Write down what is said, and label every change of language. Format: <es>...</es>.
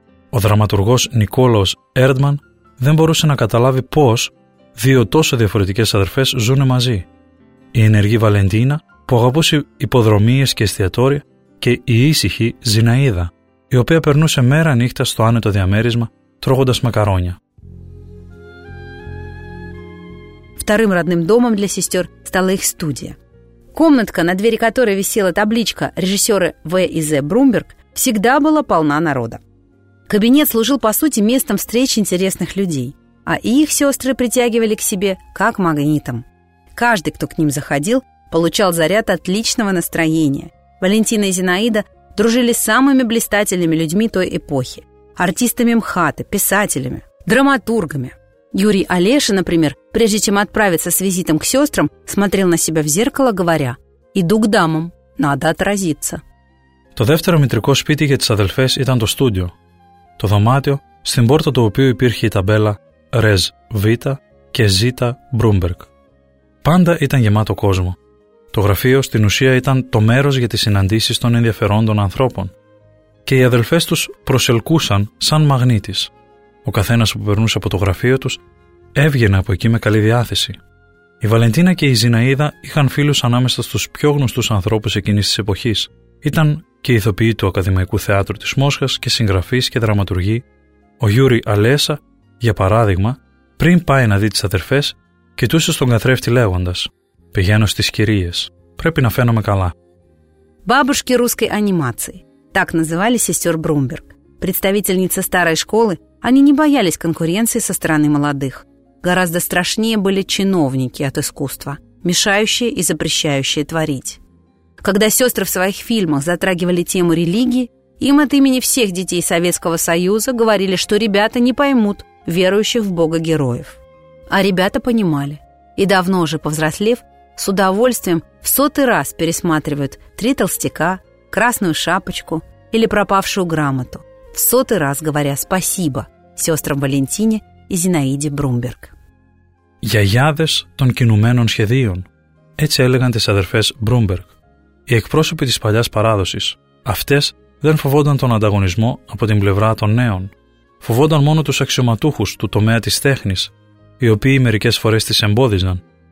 <el>Ο δραματουργός Νικόλαος Έρντμαν δεν μπορούσε να καταλάβει πώς δύο τόσο διαφορετικές αδερφές ζούνε μαζί. Η ενεργή Βαλεντίνα, που αγαπούσε υποδρομίες και εστιατόρια, και η ήσυχη Ζιναίδα, η οποία περνούσε μέρα νύχτα στο άνετο διαμέρισμα τρώγοντας μακαρόνια.</el> <ru>Вторым родным домом для сестер стала их студия. Комнатка, на двери которой висела табличка режиссера В. и З. Брумберг, всегда была полна народа. Кабинет служил, по сути, местом встреч интересных людей, а их сестры притягивали к себе как магнитом. Каждый, кто к ним заходил, получал заряд отличного настроения. Валентина и Зинаида дружили с самыми блистательными людьми той эпохи – артистами МХАТа, писателями, драматургами. Юрий Олеша, например, прежде чем отправиться с визитом к сестрам, смотрел на себя в зеркало, говоря: «Иду к дамам, надо отразиться».</ru> <el>Το δεύτερο μητρικό σπίτι για τις αδελφές ήταν το στούντιο. Το δωμάτιο, στην πόρτα του οποίου υπήρχε η ταμπέλα «Res Vita» και «Zita Brumberg». Πάντα ήταν γεμάτο κόσμο. Το γραφείο, στην ουσία, ήταν το μέρος για τις συναντήσεις των ενδιαφερόντων ανθρώπων. Και οι αδελφές τους προσελκούσαν σαν μαγνήτης. Ο καθένας που περνούσε από το γραφείο τους έβγαινε από εκεί με καλή διάθεση. Η Βαλεντίνα και η Ζιναίδα είχαν φίλους ανάμεσα στους πιο γνωστούς ανθρώπους εκείνης της εποχής. Ήταν και ηθοποιοί του Ακαδημαϊκού Θεάτρου της Μόσχας και συγγραφείς και δραματουργοί. Ο Γιούρι Αλέσα, για παράδειγμα, πριν πάει να δει τις αδερφές, κοιτούσε στον καθρέφτη λέγοντας: «Πηγαίνω στις κυρίες. Πρέπει να φαίνομαι καλά».</el> <ru>Μπάμπουσκι ρούσκι ανιμάτσι. Так называли сестер Брумберг. Представительница старой школы. Они не боялись конкуренции со стороны молодых. Гораздо страшнее были чиновники от искусства, мешающие и запрещающие творить. Когда сестры в своих фильмах затрагивали тему религии, им от имени всех детей Советского Союза говорили, что ребята не поймут верующих в Бога героев. А ребята понимали. И давно уже повзрослев, с удовольствием в сотый раз пересматривают «Три толстяка», «Красную шапочку» или «Пропавшую грамоту». В сотый раз говоря спасибо сестрам Валентине и Зинаиде Брумберг.</ru> <el>«Γιαγιάδες των κινουμένων σχεδίων», έτσι έλεγαν τις αδερφές Μπρούμπερκ, οι εκπρόσωποι της παλιάς παράδοσης. Αυτές δεν φοβόταν τον ανταγωνισμό από την πλευρά των νέων. Φοβόταν μόνο τους αξιωματούχους του τομέα της τέχνης, οι οποίοι μερικές φορές τις εμπόδιζαν.</el>